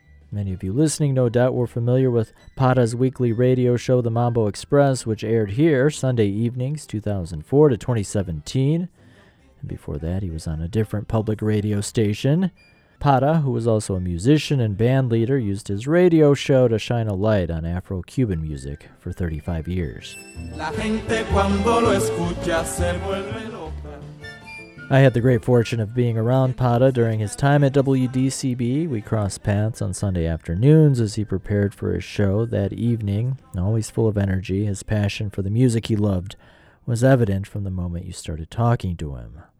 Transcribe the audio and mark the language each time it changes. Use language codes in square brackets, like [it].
[en] Many of you listening no doubt were familiar with Parra's weekly radio show, The Mambo Express, which aired here Sunday evenings, 2004 to 2017. And before that, he was on a different public radio station. Parra, who was also a musician and band leader, used his radio show to shine a light on Afro-Cuban music for 35 years. [es] La gente cuando lo escucha se vuelve loca. [en] I had the great fortune of being around Parra during his time at WDCB. We crossed paths on Sunday afternoons as he prepared for his show that evening. Always full of energy, his passion for the music he loved was evident from the moment you started talking to him.